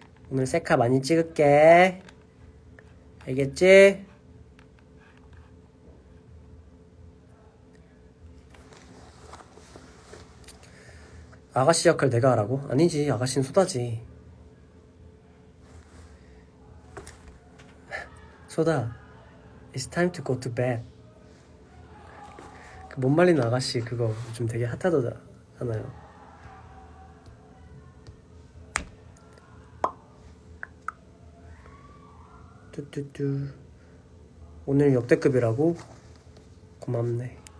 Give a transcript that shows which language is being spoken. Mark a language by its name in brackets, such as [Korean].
[Korean] 오늘 셀카 많이 찍을게. 알겠지? 아가씨 역할 내가 하라고? 아니지, 아가씨는 소다지. [English] 소다, it's time to go to bed. [Korean] 그 못 말리는 아가씨 그거 요즘 되게 핫하잖아요. 뚜뚜뚜. 오늘 역대급이라고? 고맙네.